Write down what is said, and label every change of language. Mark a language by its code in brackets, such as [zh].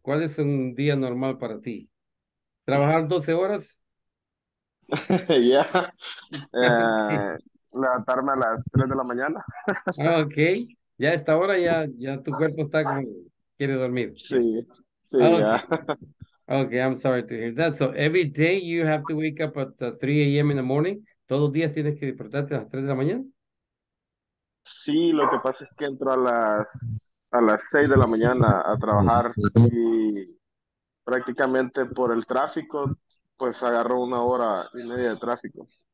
[es] ¿Cuál es un día normal para ti? ¿Trabajar 12 horas? Yeah. Levantarme a las 3 de la mañana. [en] Ok. [es] Ya a esta hora ya tu cuerpo está como quiere dormir. [en] Sí. Okay. Yeah. Okay, I'm sorry to hear that. So every day you have to wake up at 3 a.m. in the morning. [es] ¿Todos los días tienes que despertarte a las 3 de la mañana? Sí, lo que pasa es que entro a las 6 de la mañana a trabajar y prácticamente por el tráfico, pues agarró una hora y media de tráfico.